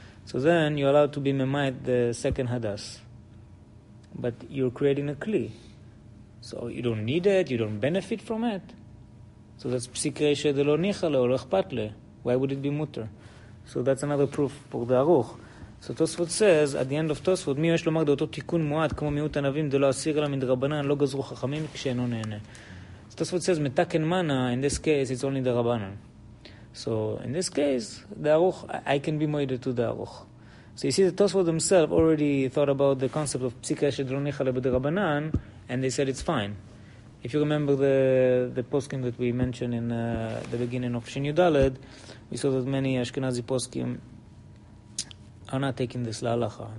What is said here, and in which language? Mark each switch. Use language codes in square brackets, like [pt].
[en] So then you're allowed to be memayit the second hadas. But you're creating a kli. So you don't need it, you don't benefit from it. So that's psik reshe de lo nichale or lo echpat le. Why would it be mutter? So that's another proof for the Aruch. So Tosfot says, at the end of Tosfot, [he] מי יש לומר דאותו תיקון מועד כמו מיעוט ענבים דלא אסיר אלא מדרבנן לא גזרו חכמים כשאינו נהנה. [en] Tosfot says metaken mana. In this case, it's only the Rabbanan. So in this case, the Aruch, I can be moed to the Aruch. So you see, the Tosfot themselves already thought about the concept of psikah shedronicha lebed Rabbanan, and they said it's fine. If you remember the poskim that we mentioned in the beginning of Shin Yudaled, we saw that many Ashkenazi poskim are not taking this lalacha.